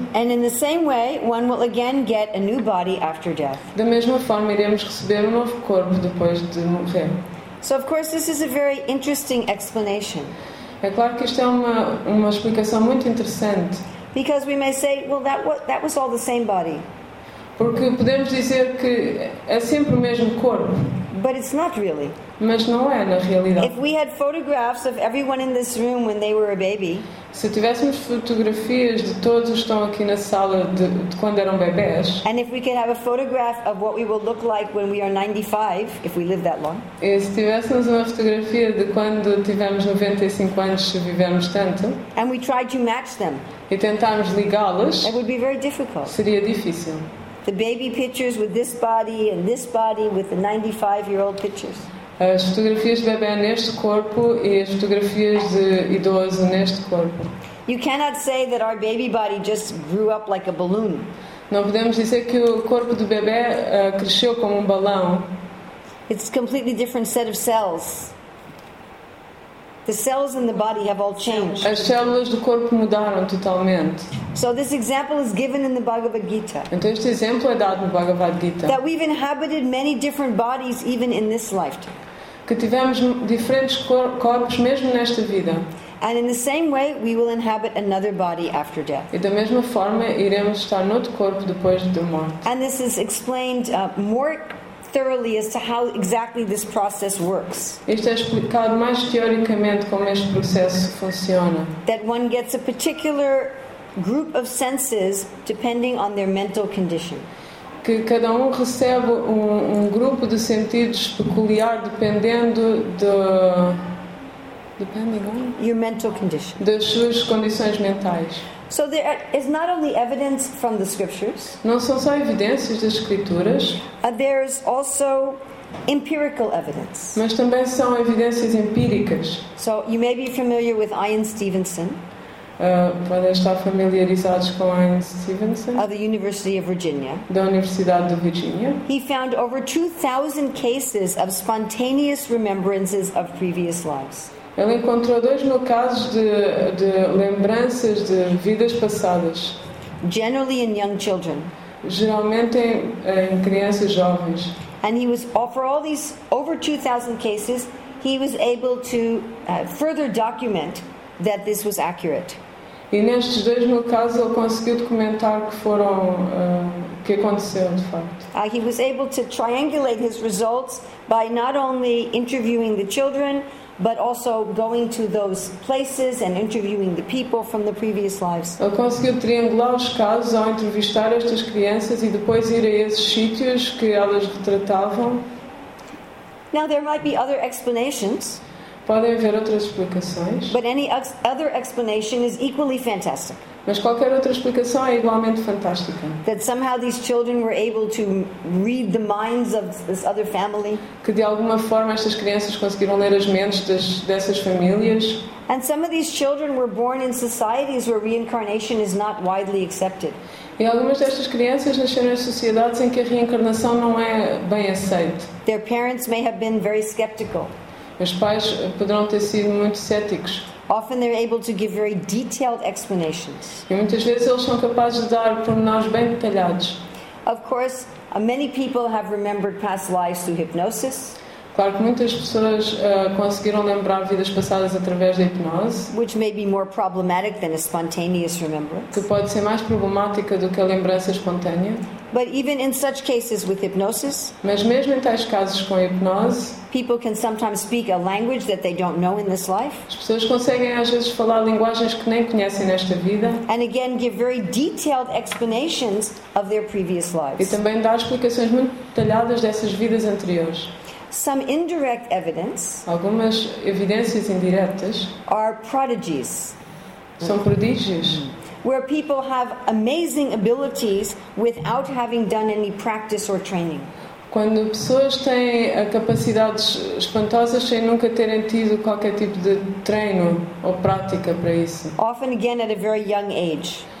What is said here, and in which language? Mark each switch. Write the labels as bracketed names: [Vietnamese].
[English] And in the same way, one will again get a new body after death. [Portuguese] Da mesma forma, iremos receber novo corpo depois de morrer. [English] So of course this is a very interesting explanation. [Portuguese] É claro que isto é uma explicação muito interessante. [English] Because we may say, well, that was all the same body. [Portuguese] Porque podemos dizer que é sempre o mesmo corpo. [English] But it's not really. [Portuguese] Mas não é na realidade. [English] If we had photographs of everyone in this room when they were a baby. [Portuguese] Se tivéssemos fotografias de todos os que estão aqui na sala de quando eram bebés. [English] And if we could have a photograph of what we will look like when we are 95, if we live that long. [Portuguese] E se tivéssemos uma fotografia de quando tivemos 95 anos, se vivermos tanto. [English] And we tried to match them. [Portuguese] E tentarmos ligá-los. [English] It would be very difficult. [Portuguese] Seria difícil. [English] The baby pictures with this body and this body with the 95-year-old pictures. [Portuguese] As fotografias de bebê neste corpo e as fotografias de idoso neste corpo. [English] You cannot say that our baby body just grew up like a balloon. [Portuguese] Não podemos dizer que o corpo do bebê cresceu como um balão. [English] It's a completely different set of cells. The cells in the body have all changed. [Portuguese] As células do corpo mudaram totalmente. [English] So this example is given in the Bhagavad Gita. [Portuguese] Então este exemplo é dado no Bhagavad Gita. [English] That we've inhabited many different bodies even in this lifetime. [Portuguese] Que tivemos diferentes corpos mesmo nesta vida. [English] And in the same way we will inhabit another body after death. [Portuguese] E da mesma forma iremos estar noutro corpo depois da morte. [English] And this is explained more thoroughly as to how exactly this process works. [Portuguese] Isto é explicado mais teoricamente como este processo funciona. [English] That one gets a particular group of senses depending on their mental condition. [Portuguese] Que cada recebe grupo de sentidos peculiar dependendo do [English] your mental condition. [Portuguese] Das suas condições mentais. [English] So there is not only evidence from the scriptures. [Portuguese] Não são só evidências das escrituras. [English] There is also empirical evidence. [Portuguese] Mas também são evidências empíricas. [English] So you may be familiar with Ian Stevenson. [Portuguese] Podem estar familiarizados com Ian Stevenson. [English] Of the University of Virginia. [Portuguese] Da Universidade de Virginia. [English] He found over 2,000 cases of spontaneous remembrances of previous lives. [Portuguese] Ele encontrou 2,000 casos de lembranças de vidas passadas. [English] Generally in young children. [Portuguese] Geralmente em crianças jovens. [English] And he was for all these over 2,000 cases, he was able to further document that this was accurate. [Portuguese] E nestes 2,000 casos ele conseguiu documentar que foram que aconteceu de facto. [English] He was able to triangulate his results by not only interviewing the children, but also going to those places and interviewing the people from the previous lives. [Portuguese] Ele conseguiu triangular os casos ao entrevistar estas crianças e depois ir a esses sítios que elas retratavam. [English] Now there might be other explanations. [Portuguese] Podem haver outras explicações. [English] But any other explanation is equally fantastic. [Portuguese] Mas qualquer outra explicação é igualmente fantástica. [English] That somehow these children were able to read the minds of this other family. [Portuguese] Que de alguma forma estas crianças conseguiram ler as mentes dessas famílias. [English] And some of these children were born in societies where reincarnation is not widely accepted. [Portuguese] E algumas destas crianças nasceram em sociedades em que a reencarnação não é bem aceita. [English] Their parents may have been very skeptical. [Portuguese] Os pais poderão ter sido muito céticos. [English] Often they're able to give very detailed explanations. [Portuguese] E muitas vezes eles são capazes de dar pormenores bem detalhados. [English] Of course, many people have remembered past lives through hypnosis. [Portuguese] Claro que muitas pessoas conseguiram lembrar vidas passadas através da hipnose. [English] Which may be more problematic than a spontaneous remembrance. [Portuguese] Que pode ser mais problemática do que a lembrança espontânea. [English] But even in such cases with hypnosis, [Portuguese] mas mesmo em tais casos com hipnose, [English] people can sometimes speak a language that they don't know in this life. [Portuguese] As pessoas conseguem às vezes falar linguagens que nem conhecem nesta vida. [English] And again, give very detailed explanations of their previous lives. [Portuguese] E também dá explicações muito detalhadas dessas vidas anteriores. [English] Some indirect evidence. [Portuguese] Algumas evidências indiretas. [English] Are prodigies. [Portuguese] São prodígios. [English] Where people have amazing abilities without having done any practice or training. [Portuguese] Quando pessoas têm capacidades espantosas sem nunca terem tido qualquer tipo de treino ou prática para isso. [English] Often again at a very young age.